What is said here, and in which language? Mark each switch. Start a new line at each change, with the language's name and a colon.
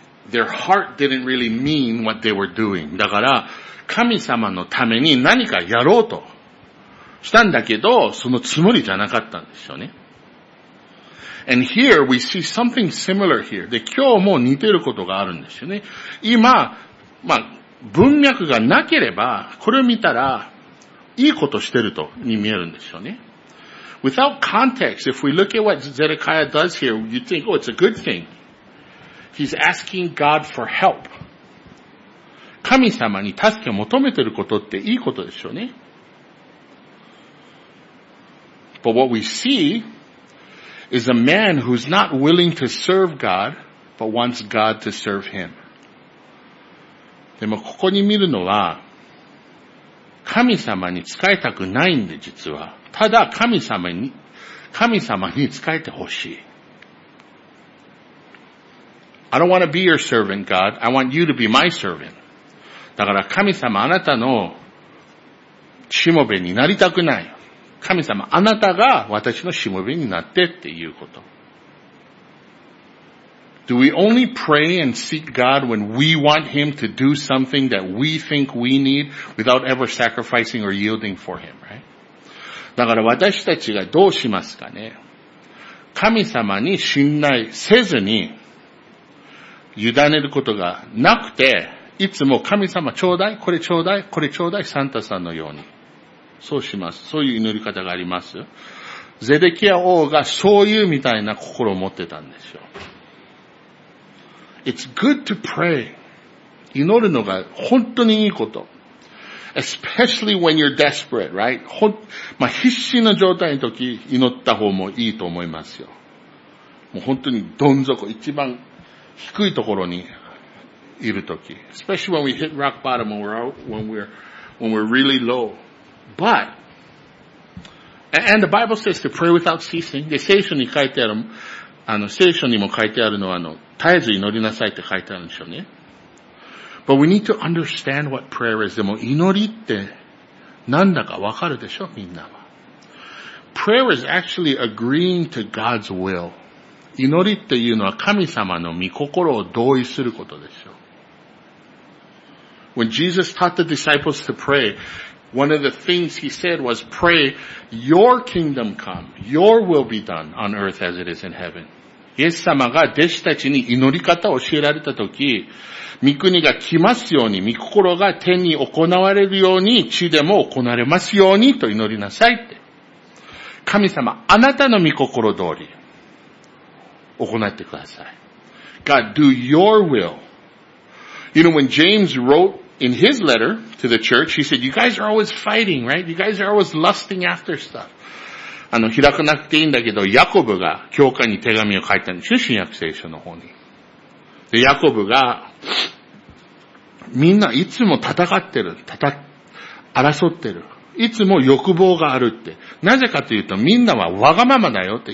English: Their heart didn't really mean what they were doing.
Japanese: だから、神様のために何かやろうとしたんだけど、そのつもりじゃなかったんでしょうね。
English: And here we see something similar here.
Japanese: で、今日も似てることがあるんですよね。今、まあ、文脈がなければ、これを見たら、いいことしてるとに見えるんですよね。
English: Without context, if we look at what Zedekiah does here, you think, oh, it's a good thing. He's asking God for help.
Japanese: 神様に助けを求めてることっていいことでしょうね。
English: But what we see,is a man who's not willing to serve God, but wants God to serve him.
Japanese: でもここに見るのは、神様に使いたくないんで実は。ただ神様に使えてほしい。
English: I don't want to be your servant, God. I want you to be my servant.
Japanese: だから神様あなたのしもべになりたくない。神様、あなたが私のしもべになってっていうこと。
English: Do we only pray and seek God when we want Him to do something that we think we need without ever sacrificing or yielding for Him, right?
Japanese: だから私たちがどうしますかね。神様に信頼せずに、委ねることがなくて、いつも神様ちょうだい、これちょうだい、これちょうだい、サンタさんのように。そうします。そういう祈り方があります。ゼデキヤ王がそういうみたいな心を持ってたんですよ。
English: It's good to pray.
Japanese: 祈るのが本当にいいこと。
English: Especially when you're desperate, right?
Japanese: まあ、必死の状態の時、祈った方もいいと思いますよ。もう本当にどん底、一番低いところにいる時。
English: Especially when we hit rock bottom and when we're really low. But, and the Bible says to pray without ceasing.
Japanese: で、聖書に書いてある、聖書にも書いてあるのは、絶えず祈りなさいって書いてあるんでしょうね。
English: But we need to understand what prayer is.
Japanese: でも、祈りってなんだかわかるでしょ、みんなは。
English: Prayer is actually agreeing to God's will.
Japanese: 祈りっていうのは神様の御心を同意することでしょう。
English: When Jesus taught the disciples to pray, one of the things he said was, pray, your kingdom come, your will be done on earth as it is in heaven.
Japanese: イエス様が弟子たちに祈り方を教えられたとき、御国が来ますように、御心が天に行われるように、地でも行われますようにと祈りなさいって。神様、あなたの御心通り、行ってください。
English: God, do your will. You know, when James wrote in his letter to the church, he said, you guys are always fighting, right? You guys are always lusting after stuff.
Japanese: 開かなくていいんだけど、ヤコブが教会に手紙を書いたんですよ、新約聖書の方に。で、ヤコブが、みんないつも戦ってる、争ってる。いつも欲望があるって。なぜかというと、みんなはわがままだよって。